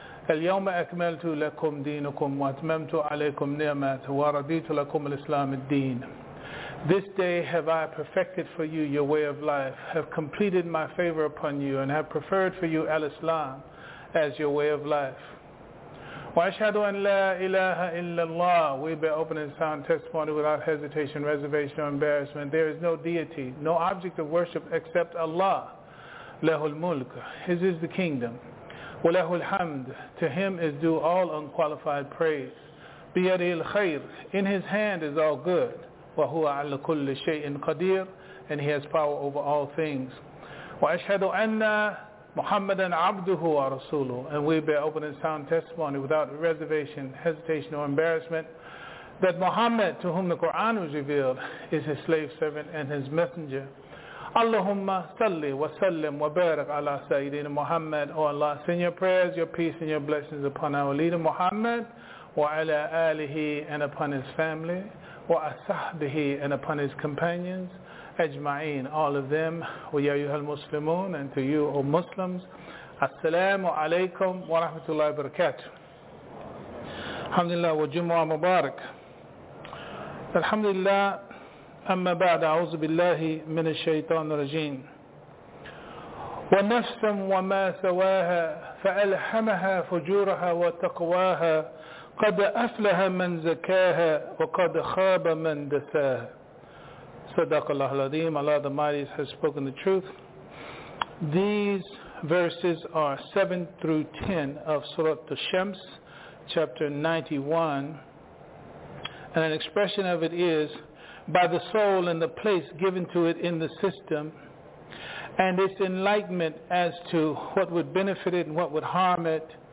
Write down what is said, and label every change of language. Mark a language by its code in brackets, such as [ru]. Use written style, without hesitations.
[ar] اليوم أكملت لكم دينكم وأتممت عليكم نعمت ورديت لكم الإسلام الدين. [en] This day have I perfected for you your way of life, have completed my favor upon you, and have preferred for you al-Islam as your way of life. [ar] وأشهد أن لا إله إلا الله. [en] We bear open and sound testimony without hesitation, reservation, or embarrassment. There is no deity, no object of worship except Allah. [ar] له الملك. [en] His is the kingdom. [ar] وَلَهُ الْحَمْدُ. [en] To Him is due all unqualified praise. [ar] بِيَدِهِ الْخَيْرِ. [en] In His hand is all good. [ar] وَهُوَ عَلَى كُلِّ شَيْءٍ قَدِيرٍ. [en] And He has power over all things. [ar] وأشهد أن محمدا عبده ورسوله. [en] And we bear open and sound testimony without reservation, hesitation, or embarrassment that Muhammad, to whom the Quran was revealed, is his slave servant and his messenger. [ar] Allahumma salli wa sallim wa barak ala Sayyidina Muhammad. [en] O Allah, send your prayers, your peace, and your blessings upon our leader Muhammad [ar] wa ala alihi [en] and upon his family [ar] wa ashabihi [en] and upon his companions [ar] ajma'in, [en] all of them. [ar] Wa ya ayyuhal muslimun, [en] and to you, O Muslims, [ar] assalamu alaikum wa rahmatullahi wa barakatuh. Alhamdulillah wa jumu'ah mubarak. Alhamdulillah. أما بعد أعوذ بالله من الشيطان الرجيم ونفس وما سواها فألهمها فجورها وتقواها قد أفلح من زكاها وقد خاب من دساها صدق الله العظيم. [en] Allah the Mighty has spoken the truth. These verses are 7 through 10 of Surah Al-Shams, chapter 91, and an expression of it is by the soul and the place given to it in the system and its enlightenment as to what would benefit it and what would harm it.